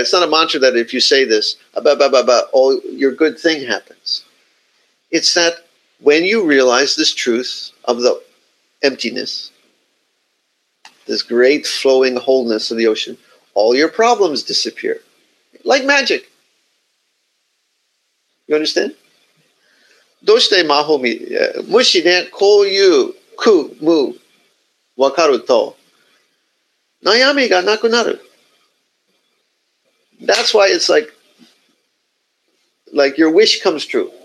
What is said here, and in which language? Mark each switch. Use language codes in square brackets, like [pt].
[en] It's not a mantra that if you say this, ba ba ba ba, all your good thing happens. It's that when you realize this truth of the emptiness, this great flowing wholeness of the ocean, all your problems disappear. Like magic. You understand? [ja] どうして魔法み、もしね、こういう、く、む、わかると、悩みがなくなる。 [en] That's why it's like your wish comes true.